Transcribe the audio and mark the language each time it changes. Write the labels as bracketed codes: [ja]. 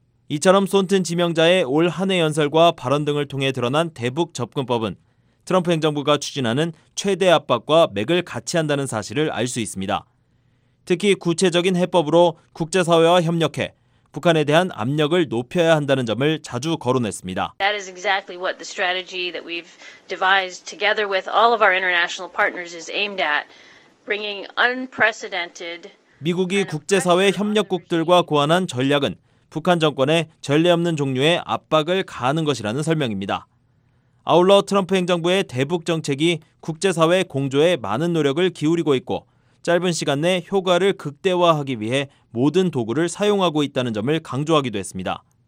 [ko] 이처럼 손튼 지명자의 올 한 해 연설과 발언 등을 통해 드러난 대북 접근법은 트럼프 행정부가 추진하는 최대 압박과 맥을 같이 한다는 사실을 알 수 있습니다. 특히 구체적인 해법으로 국제사회와 협력해 북한에 대한 압력을 높여야 한다는 점을 자주 거론했습니다. [en] That is exactly what the strategy that we've devised together with all of our international partners is aimed at, bringing unprecedented. [ko] 미국이 국제사회 협력국들과 고안한 전략은 북한 정권에 전례 없는 종류의 압박을 가하는 것이라는 설명입니다. 아울러 트럼프 행정부의 대북 정책이 국제사회 공조에 많은 노력을 기울이고 있고 짧은 시간 내 효과를 극대화하기 위해 모든 도구를 사용하고 있다는 점을 강조하기도 했습니다.